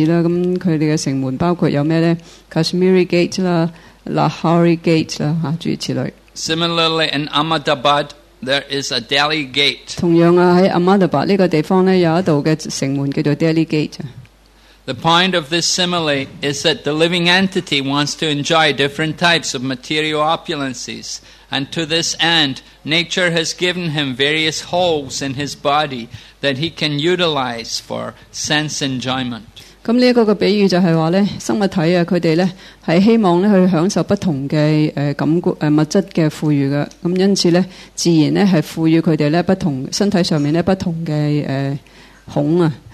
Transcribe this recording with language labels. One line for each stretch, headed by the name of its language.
Chinese: 在舊的德里仍然可以見到這些城牆的位置，亦有不同的城門的位置，他們的城門包括有什麼呢? Kashmiri Gate, Lahori Gate, 諸如此類。
English: Similarly, in Ahmedabad, there is a Delhi Gate.
Chinese: 同樣在Ahmedabad這個地方有一道城門叫做Delhi Gate。
English: The point of this simile is that the living entity wants to enjoy different types of material opulences, and to this end, nature has given him various holes in his body that he can utilize for sense enjoyment.
Chinese: 这个比喻就是说，生物体他们是希望享受不同的物质的富裕，因此自然是赋予他们身体上不同的孔。